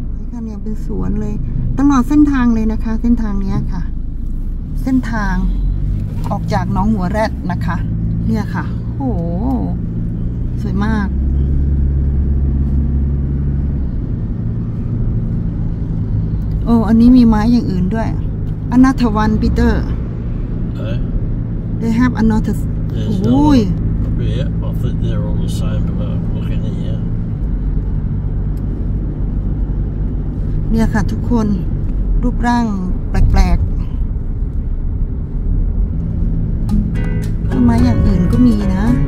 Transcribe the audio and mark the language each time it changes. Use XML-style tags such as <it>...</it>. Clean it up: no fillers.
<th>นี่ค่ะเนี่ยเป็นสวนเลยตลอดเส้นทางเลยนะคะเส้นทางนี้ค่ะเส้นทางออกจากหนองหัวแรดนะคะเนี่ยค่ะโอ้สวยมากโอ้อันนี้มีไม้อย่างอื่นด้วย</th> <en>Another one, Peter. They have another. Ooh. Yeah, I think they're all the same, but I'm looking at here.</en> <th>เนี่ยค่ะทุกคนรูปร่างแปลกๆทำไมอย่างอื่นก็มีนะ</th>